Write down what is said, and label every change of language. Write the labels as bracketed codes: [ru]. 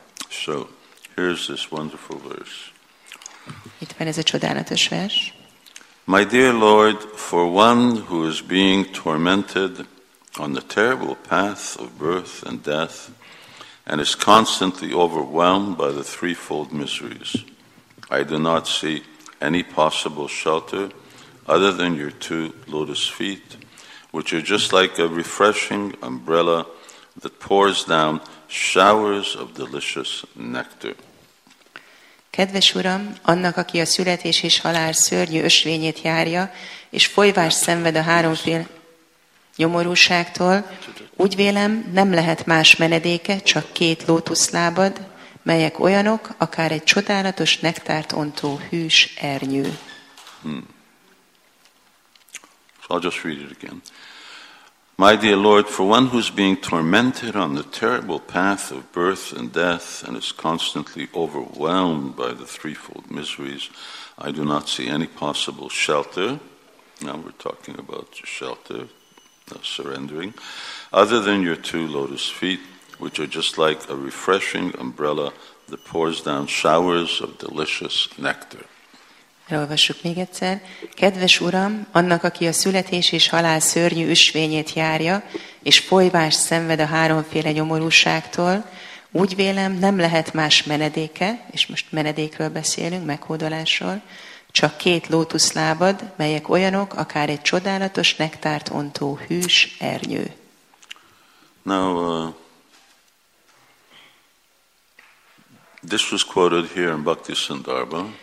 [en] So, here's this wonderful verse. [hu] Itt van ez a csodálatos vers. [en] My dear Lord, for one who is being tormented on the terrible path of birth and death and is constantly overwhelmed by the threefold miseries, I do not see any possible shelter other than your two lotus feet, which are just like a refreshing umbrella that pours down showers of delicious nectar. [hu] Kedves Uram, annak, aki a születés és halál szörnyű ösvényét járja, és folyvást szenved a háromféle nyomorúságtól, úgy vélem, nem lehet más menedéke, csak két lótuszlábad, melyek olyanok, akár egy csodálatos nektárt ontó hűs ernyő. [en] So I'll just read it again. My dear Lord, for one who's being tormented on the terrible path of birth and death and is constantly overwhelmed by the threefold miseries, I do not see any possible shelter. Now we're talking about shelter, surrendering, other than your two lotus feet, which are just like a refreshing umbrella that pours down showers of delicious nectar. [hu] Elolvassuk még egyszer. Kedves Uram, annak, aki a születés és halál szörnyű üsvényét járja, és folyvást szenved a háromféle nyomorúságtól, úgy vélem, nem lehet más menedéke, és most menedékről beszélünk, meghódolásról, csak két lótuszlábad, melyek olyanok, akár egy csodálatos nektárt ontó hűs ernyő. [en] Now, this was quoted here in Bhaktisandarbha.